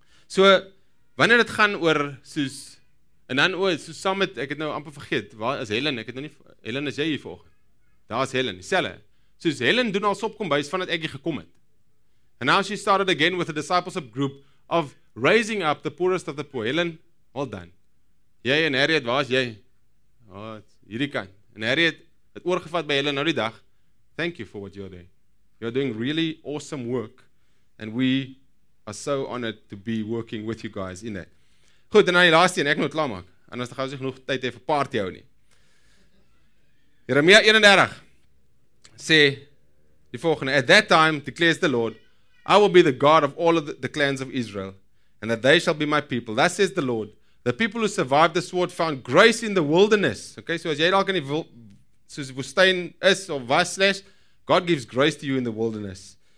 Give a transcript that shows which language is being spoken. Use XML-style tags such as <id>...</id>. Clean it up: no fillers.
<af>So wanneer dit gaan oor soos en dan oor soos saam met ek het nou amper vergeet, waar is Helen? Ek het nou nie Helen, is jy hier vanoggend? Daar is Helen, dieselfde. Soos Helen doen al sopkombuis vandat ek hier gekom het.</af> <en>And now she started again with a discipleship group of raising up the poorest of the poor.</en> <af>Helen,</af> <en>well done.</en> <af>Jy en Harriet, waar is jy? Oh, hierdie kant. En Harriet het oorgevat by Helen nou die dag.</af> <en>Thank you for what you're doing. You're doing really awesome work. And we are so honored to be working with you guys in that.</en> <af>Goed, en nou die laaste een, ek moet klaar maak. Anders gaan ons nie genoeg tyd hê vir party hou nie. Jeremia 31 sê die volgende:</af> <en>At that time, declares the Lord, I will be the God of all of the clans of Israel, and that they shall be my people. Thus says the Lord, the people who survived the sword found grace in the wilderness.</en> <af>Okay, so as jy dalk in die woestyn is of was /</af> <en>God gives grace to you in the wilderness.</en>